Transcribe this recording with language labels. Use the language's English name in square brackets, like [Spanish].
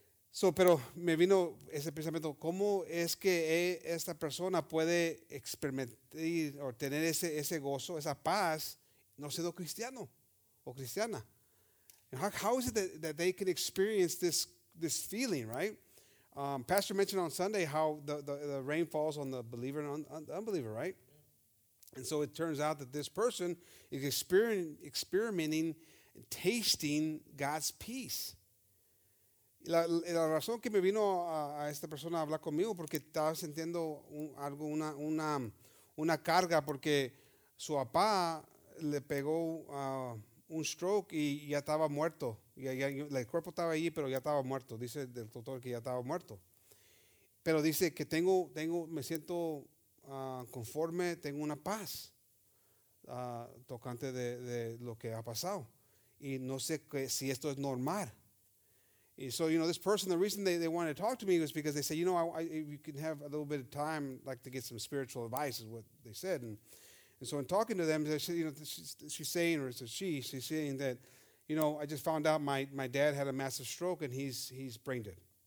[Spanish] So, pero me vino ese pensamiento, ¿cómo es que esta persona puede experimentar o tener ese gozo, esa paz, no siendo cristiano o cristiana? [English] How is it that they can experience this feeling, right? Pastor mentioned on Sunday how the rain falls on the believer and on the unbeliever, right? And so it turns out that this person is experimenting, tasting God's peace. [Spanish] La razón que me vino a esta persona a hablar conmigo porque estaba sintiendo algo, una carga, porque su papá le pegó un stroke y ya estaba muerto. Ya, el cuerpo estaba ahí, pero ya estaba muerto. Dice el doctor que ya estaba muerto. Pero dice que me siento conforme, tengo una paz tocante de lo que ha pasado. Y no sé si esto es normal. [English] And so, you know, this person, the reason they wanted to talk to me was because they said, you know, you can have a little bit of time, like to get some spiritual advice, is what they said. And so in talking to them, they said, you know, she's saying that, you know, I just found out my dad had a massive stroke and he's brain dead.